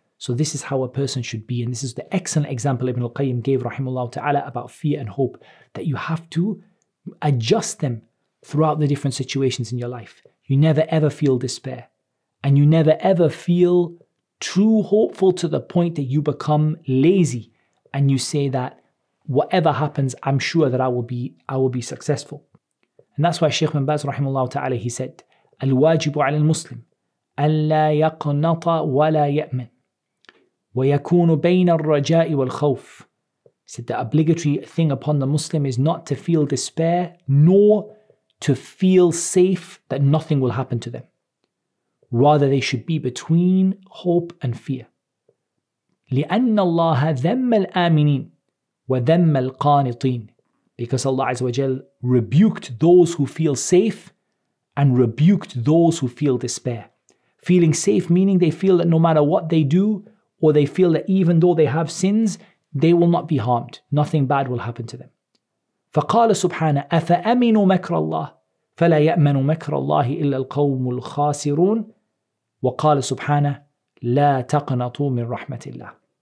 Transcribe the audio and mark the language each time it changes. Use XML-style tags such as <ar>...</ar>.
<en>So this is how a person should be. And this is the excellent example Ibn al-Qayyim gave, rahimahullah ta'ala, about fear and hope, that you have to adjust them throughout the different situations in your life. You never ever feel despair. And you never ever feel true hopeful to the point that you become lazy. And you say that whatever happens, I'm sure that I will be successful. And that's why Shaykh bin Baz, rahimahullah ta'ala, he said,</en> <ar>الواجب على المسلم ألا يقنط ولا يأمن ويكون بين الرجاء والخوف.</ar> <en>He said the obligatory thing upon the Muslim is not to feel despair nor to feel safe that nothing will happen to them. Rather, they should be between hope and fear.</en> <ar>لأن الله ذم الآمنين وذم القانطين.</ar> <en>Because Allah Azza wa Jal rebuked those who feel safe and rebuked those who feel despair. Feeling safe meaning they feel that no matter what they do, or they feel that even though they have sins, they will not be harmed. Nothing bad will happen to them.</en> <ar>فَقَالَ سُبْحَانَهُ أَفَأَمِنُوا مَكْرَ اللَّهِ فَلَا يَأْمَنُوا مَكْرَ اللَّهِ إِلَّا الْقَوْمُ الْخَاسِرُونَ وَقَالَ سُبْحَانَهُ لَا تَقْنَطُوا مِنْ رَحْمَةِ اللَّهِ.</ar>